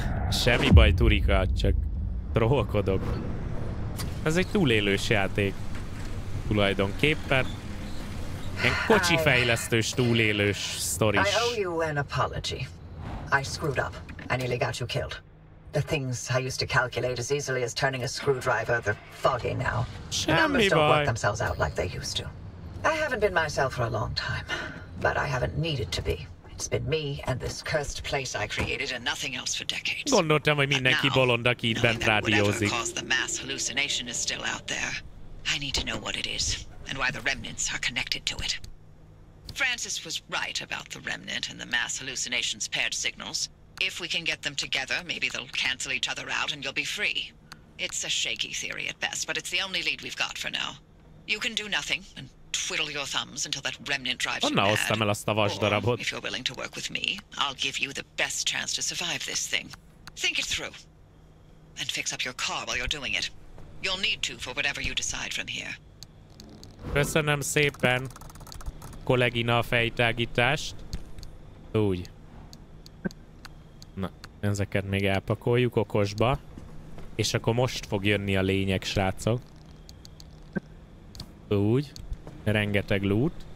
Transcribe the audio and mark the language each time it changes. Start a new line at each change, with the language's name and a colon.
Hungarian: Semmi baj, Turika, csak trollkodok. Ez egy túlélős játék. Tulajdonképpen. Ilyen kocsifejlesztős túlélős sztoris.
English: I owe you an apology. I screwed up. I nearly got you killed. The things I used to calculate as easily as turning a screwdriver, they're foggy now.
Hungarian: Semmi
English: numbers
Hungarian: baj.
English: Don't work themselves out like they used to. I haven't been myself for a long time, but I haven't needed to be. It's been me and this cursed place I created and nothing else for decades.
Hungarian: Gondoltam, hogy mindenki bolond, aki itt bent rádiózik.
English: Whatever caused the mass hallucination is still out there. I need to know what it is. And why the remnants are connected to it. Francis was right about the remnant and the mass hallucinations paired signals. If we can get them together, maybe they'll cancel each other out and you'll be free. It's a shaky theory at best, but it's the only lead we've got for now. You can do nothing and twiddle your thumbs until that remnant drives you mad. Or, if you're willing to work with me, I'll give you the best chance to survive this thing. Think it through. And fix up your car while you're doing it. You'll need to for whatever you decide from here.
Hungarian: Köszönöm szépen, kollégina, a fejtágítást. Úgy. Na, ezeket még elpakoljuk okosba. És akkor most fog jönni a lényeg, srácok. Úgy. Rengeteg loot.